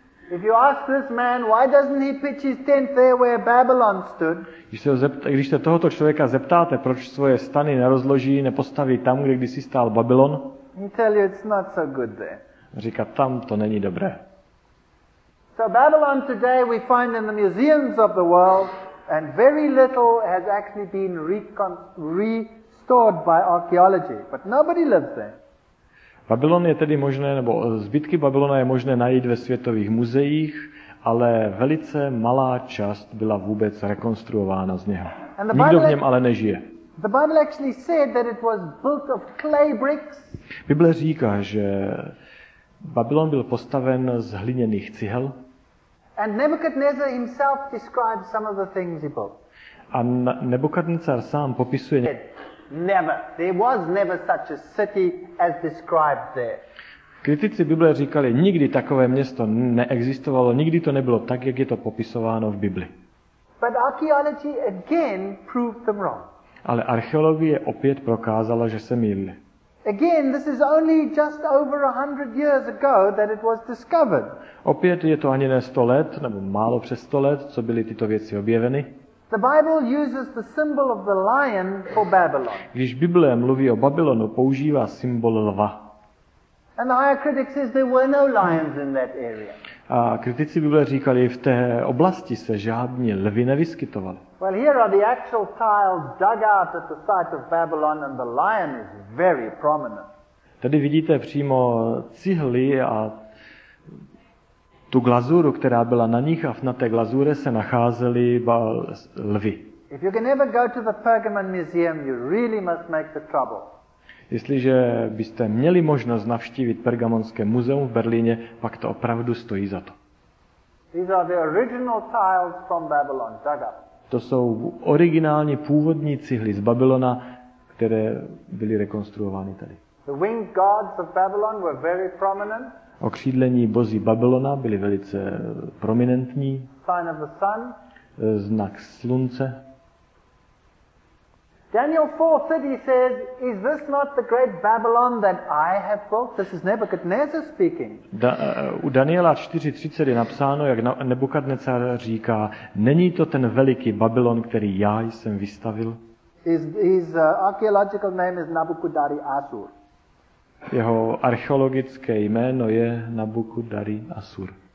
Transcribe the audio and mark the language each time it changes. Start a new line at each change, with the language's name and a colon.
English: If you ask this man, why doesn't he pitch his tent there where Babylon stood?
Czech: Když se tohoto člověka zeptáte, proč svoje stany nerozloží, nepostaví tam, kde kdysi stál Babylon?
English: He tell you it's not so good there.
Czech: Říká, tam to není dobré.
English: So Babylon today we find in the museums of the world and very little has actually been restored by archaeology, but nobody lives there.
Czech: Babylon je tedy možné, nebo zbytky Babylona je možné najít ve světových muzeích, ale velice malá část byla vůbec rekonstruována z něho. Nikdo v něm ale nežije.
English: The Bible actually said that it was built of clay bricks.
Czech: Bible říká, že Babylon byl postaven z hliněných cihel.
English: And Nebuchadnezzar himself describes some of the things he built.
Czech: A Nebukadnezar sám popisuje
English: never. There was never such a city as described there.
Czech: Kritici Bible říkali, nikdy takové město neexistovalo, nikdy to nebylo tak, jak je to popisováno v Bibli.
English: But archaeology again proved them wrong.
Czech: Ale archeologie opět prokázala, že se mýlili.
English: Again, this is only just over 100 years ago that it was discovered.
Czech: Opět je to ani ne 100 let, nebo málo přes 100 let, co byly tyto věci objeveny.
English: The Bible uses the symbol of the lion for Babylon.
Czech: Když Bible mluví o Babylonu, používá symbol lva.
English: And the higher critics says there were no lions in that area.
Czech: A kritici Bible říkali, v té oblasti se žádní lvi nevyskytovali.
English: Well, here are the actual tiles dug out at the site of Babylon and the lion is very prominent.
Czech: Tady vidíte přímo cihly a tu glazuru, která byla na nich a na té glazure se nacházely lvi.
English: If you can ever go to the Pergamon Museum, you really must make the trouble.
Czech: Jestliže byste měli možnost navštívit Pergamonské muzeum v Berlíně, pak to opravdu stojí za to.
English: These are the original tiles from Babylon, dug up.
Czech: To jsou originální původní cihly z Babylona, které byly rekonstruovány tady.
English: The winged gods of Babylon were very prominent.
Czech: Okřídlení bozí Babylona byly velice prominentní.
English: Sign of the sun.
Czech: Znak slunce.
English: Daniel 4:30 says, is this not the great Babylon that I have built? This is Nebuchadnezzar speaking.
Czech: U Daniela 4:30 je napsáno, jak Nebukadnezar říká, není to ten veliký Babylon, který já jsem vystavil?
English: His archaeological name is Nabucodonosor.
Czech: Jeho archeologické jméno je Nabucodonosor.